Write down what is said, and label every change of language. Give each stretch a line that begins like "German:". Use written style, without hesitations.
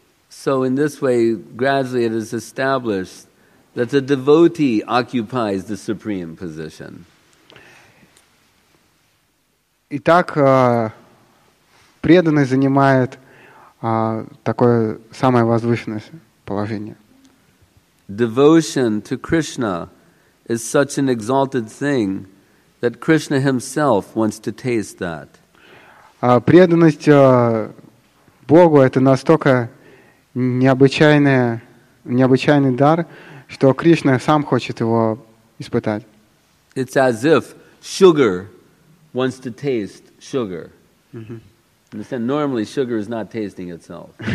English: So in this way, gradually it is established that the devotee occupies the supreme position.
Russian: Итак, преданный занимает такое самое возвышенное положение.
English: Devotion to Krishna is such an exalted thing that Krishna himself wants to taste that.
Russian: Преданность Богу — это настолько необычайный дар, что Кришна сам хочет его испытать.
English: It's as if sugar wants to taste sugar. Understand? Normally, sugar is not tasting itself.